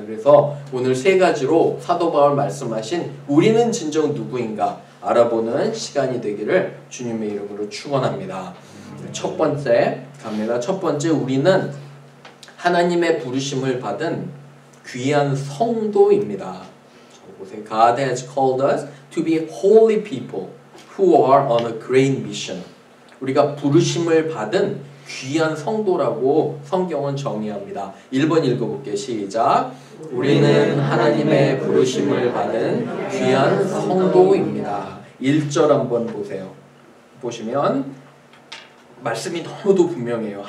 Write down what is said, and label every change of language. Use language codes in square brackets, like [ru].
[ko] 그래서 오늘 세 가지로 사도 바울 말씀하신 우리는 진정 누구인가 알아보는 시간이 되기를 주님의 이름으로 축원합니다. 첫 번째 갑니다. 첫 번째 우리는 하나님의 부르심을 받은 귀한 성도입니다. [en] God has called us to be holy people who are on a great mission. [ko] 우리가 부르심을 받은 귀한 성도라고 성경은 정의합니다. 1번 읽어볼게요. 시작! 우리는 하나님의 부르심을 받은 귀한 성도입니다. 1절 한번 보세요. 보시면 말씀이 너무도 분명해요.